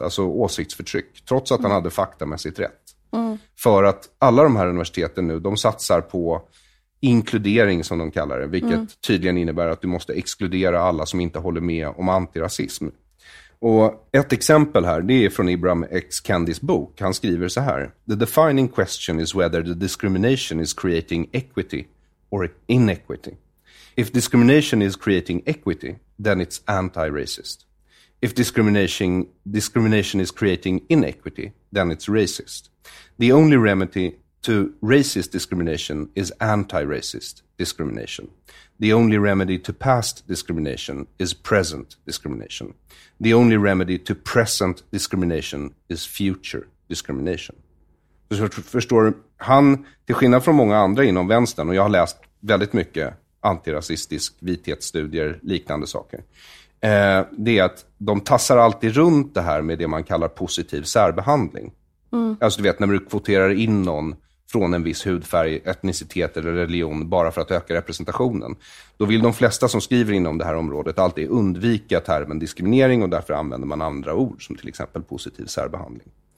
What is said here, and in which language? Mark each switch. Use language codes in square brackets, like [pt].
[sv] Alltså åsiktsförtryck. Trots att, mm, han hade fakta med sitt rätt. Mm. För att alla de här universiteten nu, de satsar på inkludering som de kallar det. Vilket, mm, tydligen innebär att du måste exkludera alla som inte håller med om antirasism. Och ett exempel här, det är från Ibram X. Kendis bok. Han skriver så här: [en] "The defining question is whether the discrimination is creating equity or inequity. If discrimination is creating equity, then it's anti-racist. If discrimination is creating inequity, then it's racist. The only remedy to racist discrimination is anti-racist discrimination. The only remedy to past discrimination is present discrimination. The only remedy to present discrimination is future discrimination. [sv] Så förstår han, till skillnad från många andra inom vänstern, och jag har läst väldigt mycket antirasistisk vithetsstudier, liknande saker, det är att de tassar alltid runt det här med det man kallar positiv särbehandling. Mm. Alltså du vet, när du kvoterar in någon från en viss hudfärg, etnicitet eller religion bara för att öka representationen, då vill de flesta som skriver inom det här området alltid undvika termen diskriminering, och därför använder man andra ord som till exempel positiv särbehandling.